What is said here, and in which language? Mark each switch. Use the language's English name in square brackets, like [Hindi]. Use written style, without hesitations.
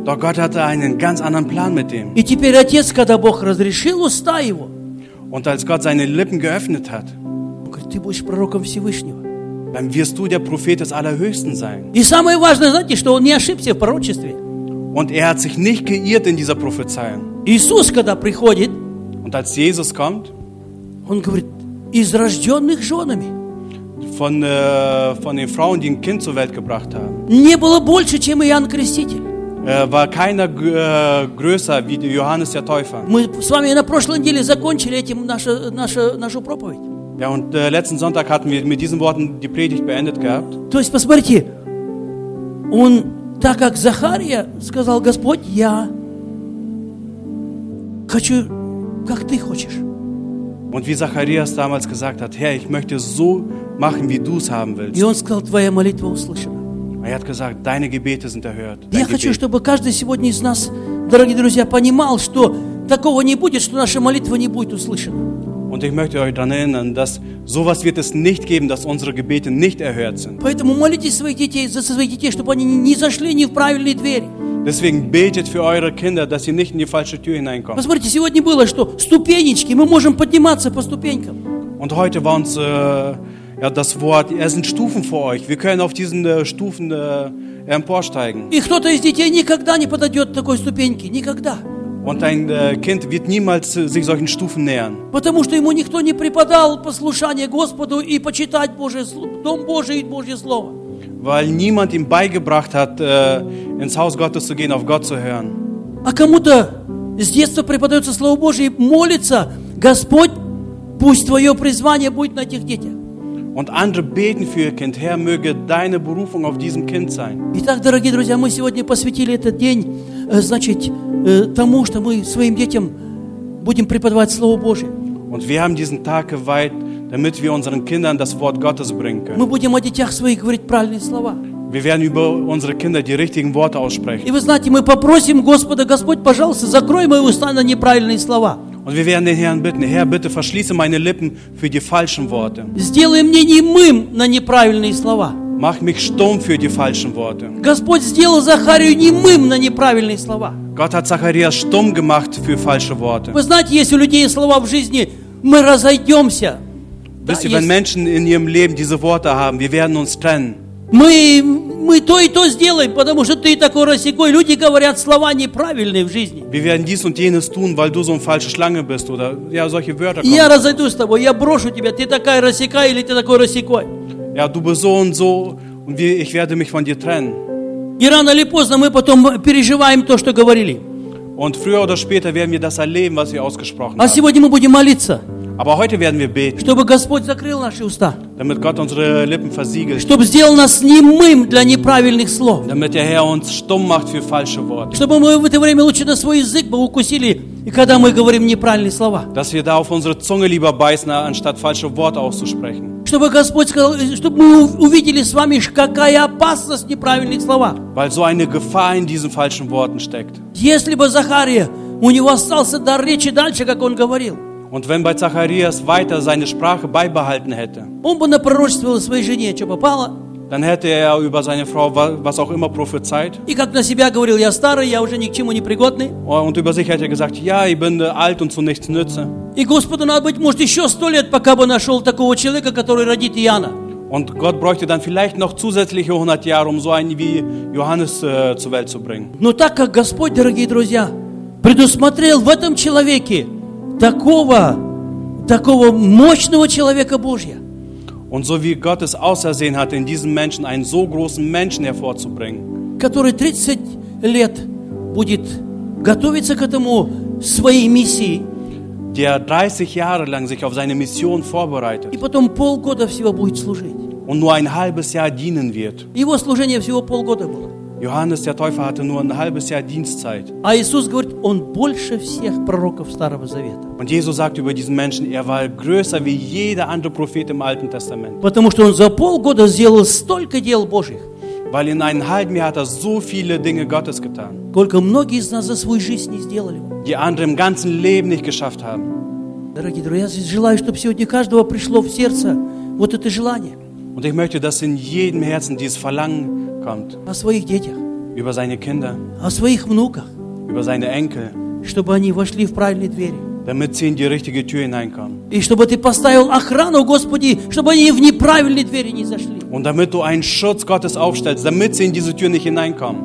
[German] Doch Gott hatte einen ganz anderen Plan mit ihm. [Russian] И теперь отец, когда Бог разрешил уста его, [German] und als Gott seine Lippen geöffnet hat, [Russian] ты будешь пророком Всевышнего. [German] Dann wirst du der Prophet des Allerhöchsten sein. [Russian] И самое важное, знаете, что он не ошибся в пророчестве. [German] Und er hat sich nicht geirrt in dieser Prophezeiung. [Russian] Иисус, когда приходит, [German] und als Jesus kommt, [Russian] он говорит, из рожденных женами. [German] Von den Frauen, die ein Kind zur Welt gebracht haben. [Russian] Не было больше, чем Иоанн Креститель. [German] War keiner größer wie Johannes der Täufer. [Russian] Мы с вами на прошлой неделе закончили этим нашу проповедь. [German] Ja, und letzten Sonntag hatten wir mit diesen Worten die Predigt beendet gehabt. [Russian] То есть, посмотрите, он так как Захария сказал: Господь, я хочу, как ты хочешь. [German] Und wie Zacharias damals gesagt hat: Herr, ich möchte so machen, wie du es haben willst. [Russian] И он сказал: твоя молитва услышана. [German] Er hat gesagt: deine Gebete sind erhört. [Russian] Я хочу, чтобы каждый сегодня из нас, дорогие друзья, понимал, что такого не будет, что наша молитва не будет услышана. [German] Und ich möchte euch daran erinnern, dass sowas wird es nicht geben, dass unsere Gebete nicht erhört sind. [Russian] Поэтому молитесь своих детей, за своих детей, чтобы они не зашли не в правильные двери. [German] Deswegen betet für eure Kinder, dass sie nicht in die falsche Tür hineinkommen. [Russian] Посмотрите, сегодня было, что ступенечки, мы можем подниматься по ступенькам. [German] Und heute war uns ja, das Wort, es sind Stufen vor euch. Wir können auf diesen Stufen emporsteigen. [Russian] И кто-то из детей никогда не подойдет такой ступеньке, никогда. [German] Und ein Kind wird niemals sich solchen Stufen nähern. [Russian] Потому что ему никто не преподал послушание Господу и почитать Божий дом Божий и Божье слово. [German] Weil niemand ihm beigebracht hat, ins Haus Gottes zu gehen, auf Gott zu hören. [Russian] А кому-то с детства преподается слово Божие и молится: Господь, пусть твое призвание будет на этих детях. [German] Und andere beten für ihr Kind: Herr, möge deine Berufung auf diesem Kind sein. [Russian] Итак, дорогие друзья, мы сегодня посвятили этот день, значит, тому, что мы своим детям будем преподавать Слово Божие. [German] Und wir haben diesen Tag geweiht, damit wir unseren Kindern das Wort Gottes bringen können. [Russian] Мы будем о детях своих говорить правильные слова. [German] Wir werden über unsere Kinder die richtigen Worte aussprechen. [Russian] И вы знаете, мы попросим Господа: Господь, пожалуйста, закрой мои уста на неправильные слова. [German] Und wir werden den Herrn bitten: Herr, bitte verschließe meine Lippen für die falschen Worte. [Russian] Сделай мне немым на неправильные слова. [German] Mach mich stumm für die falschen Worte. [Russian] Господь сделал Захарию немым на неправильные слова. [German] Gott hat Zacharias stumm gemacht für falsche Worte. [Russian] Вы знаете, если у людей слова в жизни, мы разойдемся. [German] Wisst ihr, wenn Menschen in ihrem Leben diese Worte haben, wir werden uns trennen. [Russian] Мы то и то сделаем, потому что ты такой рассекой. Люди говорят слова неправильные в жизни. [German] Wir werden dies und jenes tun, weil du so eine falsche Schlange bist oder ja, solche Wörter kommen. [Russian] Я разойдусь с тобой, я брошу тебя, ты такая рассекай или ты такой рассекой. [German] Ja, du bist so und so und ich werde mich von dir trennen. [Russian] И рано или поздно мы потом переживаем то, что говорили. [German] Und früher oder später werden wir das erleben, was wir ausgesprochen haben. [Russian] А сегодня мы будем молиться. [German] Aber heute werden wir beten. [Russian] Чтобы Господь закрыл наши уста. [German] Damit Gott unsere Lippen versiegelt. [Russian] Чтобы сделал нас немым для неправильных слов. [German] Damit der Herr uns stumm macht für falsche Worte. [Russian] Чтобы мы в это время лучше на свой язык бы укусили, и когда мы говорим неправильные слова. [German] Dass wir da auf unsere Zunge lieber beißen, anstatt falsche Worte auszusprechen. [Russian] Чтобы Господь сказал, чтобы мы увидели с вами, какая опасность неправильных слов. [German] Weil so eine Gefahr in diesen falschen Worten steckt. [Russian] Если бы Захария, у него остался дар речи дальше, как он говорил. [German] Und wenn bei Zacharias weiter seine Sprache beibehalten hätte, dann hätte er über seine Frau was auch immer prophezeit. Und über sich hätte er gesagt: Ja, ich bin alt und zu nichts nütze. Und Gott bräuchte dann vielleicht noch zusätzliche 100 Jahre, um so einen wie Johannes zur Welt zu bringen. [Russian] Но так как Господь, дорогие друзья, предусмотрел в этом человеке такого мощного человека Божия. [German] Und so wie Gott es ausersehen hat, in diesem Menschen einen so großen Menschen hervorzubringen, [Russian] который 30 лет будет готовиться к этому своей миссии, [German] der 30 Jahre lang sich auf seine Mission vorbereitet, [Russian] и потом полгода всего будет служить, [German] und nur ein halbes Jahr dienen wird. [Russian] Его служение всего полгода было. [German] Johannes der Täufer hatte nur ein halbes Jahr Dienstzeit. [Russian] А Иисус говорит, он больше всех пророков Старого Завета. [German] Und Jesus sagt über diesen Menschen, er war größer wie jeder andere Prophet im Alten Testament. [Russian] Потому что он за полгода сделал столько дел Божьих. [German] Weil in einem halben Jahr hat er so viele Dinge Gottes getan. [Russian] Сколько многие из нас за свою жизнь не сделали. [German] Die andere im ganzen Leben nicht geschafft haben. [Russian] Дорогие друзья, я желаю, чтобы сегодня каждого пришло в сердце вот это желание. [German] Und ich möchte, dass in jedem Herzen dieses Verlangen kommt, [Russian] о своих детях, [German] über seine Kinder, [Russian] о своих внуках, [German] über seine Enkel, [Russian] чтобы они вошли в правильные двери, [German] damit sie in die richtige Tür hineinkommen, [Russian] и чтобы ты поставил охрану, Господи, чтобы они в неправильные двери не зашли, [German] und damit du einen Schutz Gottes aufstellst, damit sie in diese Tür nicht hineinkommen.